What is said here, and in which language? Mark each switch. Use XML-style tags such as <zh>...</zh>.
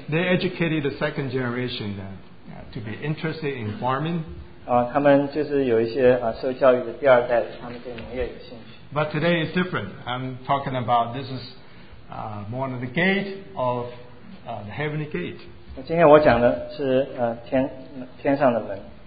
<en>They educated the second generation to be interested in farming.</en> <zh>他们就是有一些受教育的第二代，他们对农业有兴趣。</zh> <en>But today is different. I'm talking about this is more on the gate of the heavenly gate.</en> <zh>今天我讲的是天上的门。</zh>